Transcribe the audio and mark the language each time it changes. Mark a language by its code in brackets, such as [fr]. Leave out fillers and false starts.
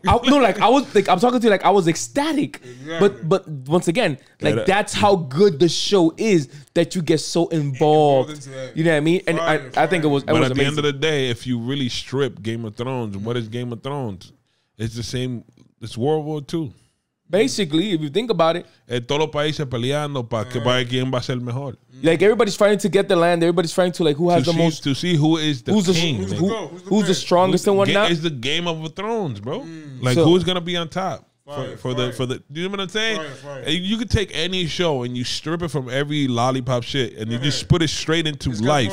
[en] I'm talking to you like I was ecstatic. Exactly. But once again, like, that's how good the show is, that you get so involved. You know what I mean? And I think it was amazing. But at the end of the day, if you really strip Game of Thrones, what is Game of Thrones? It's the same. It's World War II. Basically, if you think about it. [es] Todos los países peleando para quién va a ser mejor. [en] Like, everybody's fighting to get the land. Everybody's fighting to, like, who has the most. To see who is the king. Who's the strongest and whatnot. It's the Game of Thrones, bro. Like, who's going to be on top? Do you know what I'm saying? Fire. You could take any show and you strip it from every lollipop shit, and you just put it straight into life.